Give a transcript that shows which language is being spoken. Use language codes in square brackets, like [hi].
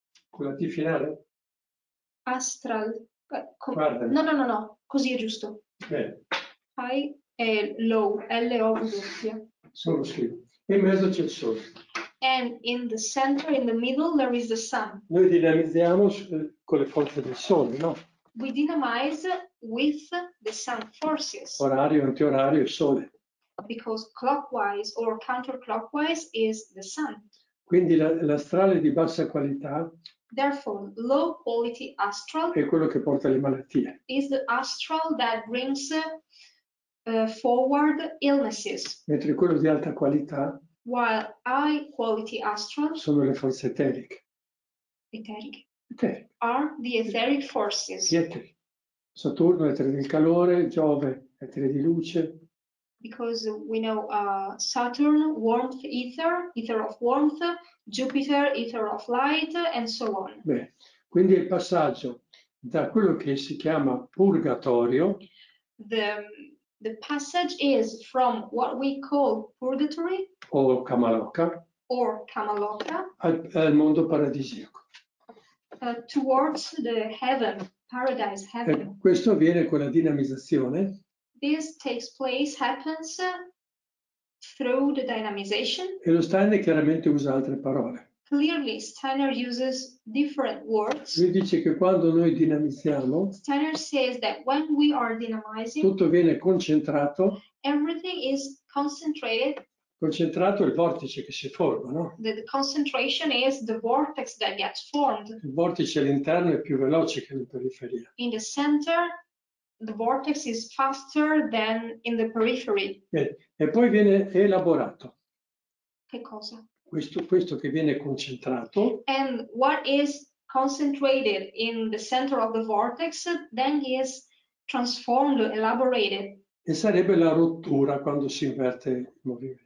[it] Quella di finale? [en] Astral. [it] Guardami. No, così è giusto. Bene. [en] High e low, L-O-V-I-A. [it] Solo scrivo. In mezzo c'è il sole. [en] And in the center, in the middle, there is the sun. [it] Noi dinamizziamo con le forze del sole, no? [en] We dynamize with the sun forces. [it] Orario, antiorario, il sole. [en] Because clockwise or counterclockwise is the sun. [it] Quindi l'astrale di bassa qualità. [en] Therefore, low quality astral [it] è quello che porta le malattie. [en] Is the astral that brings forward illnesses. [it] Mentre quello di alta qualità. [en] While high quality astral [it] sono le forze eteriche. Eteriche. Eteriche. [en] Are the etheric forces. [it] Eteri. Saturno etere del calore, Giove etere di luce. [en] Because we know Saturn, warmth, ether, ether of warmth, Jupiter, ether of light, and so on. [it] Beh, quindi il passaggio da quello che si chiama purgatorio. [en] The passage is from what we call purgatory. [it] O Kamaloka. [en] Or Kamaloka. [it] Al mondo paradisiaco. [en] Towards the heaven, paradise, heaven. [it] Questo avviene con la dinamizzazione. [en] this takes place, happens through the dynamization. [it] E lo Steiner chiaramente usa altre parole. [en] Clearly, Steiner uses different words. [it] Lui dice che quando noi dinamizziamo, [en] Steiner says that when we are dynamizing, [it] tutto viene concentrato. [en] Everything is concentrated. [it] Concentrato è il vortice che si forma, no? [en] The concentration is the vortex that gets formed. [it] Il vortice all'interno è più veloce che in periferia. [en] In the center, the vortex is faster than in the periphery. [it] E poi viene elaborato. Che cosa? Questo che viene concentrato. [en] And what is concentrated in the center of the vortex then is transformed, elaborated. [it] E sarebbe la rottura quando si inverte il movimento.